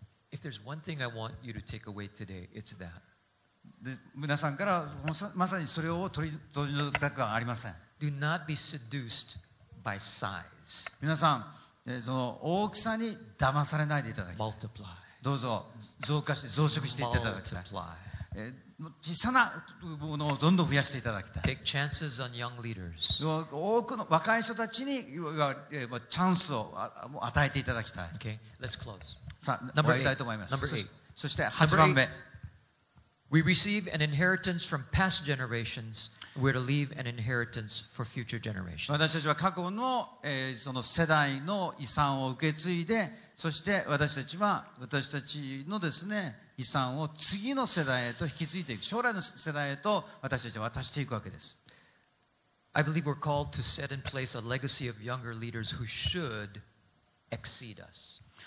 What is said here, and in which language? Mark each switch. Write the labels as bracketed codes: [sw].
[en] if there's one thing I want you to take away today, it's that. [ja] 皆さんからまさにそれを取り除くはありません。 [en] Do not be seduced by size. [ja] 皆さん、その大きさに騙されないでいただき。 [en] Multiply. [ja] どうぞ増加して増殖していただきたい。 [en] Multiply. [ja] 小さなものをどんどん増やしていただきたい。 [en] Take chances on young leaders. [ja] 多くの若い人たちにチャンスを与えていただきたい。 [en] Okay, let's close. [ja] さあ、終わりたいと思います。 [en] Number eight. [ja] そして8番目。 [en] We receive an inheritance from past generations. We're to leave an inheritance for future generations. [ja] 私たちは過去の、その世代の遺産を受け継いで、そして私たちのですね、遺産を次の世代へと引き継いでいく、将来の世代へと私たちは渡していくわけです。 [en] I believe we're called to set in place a legacy of younger leaders who should exceed us.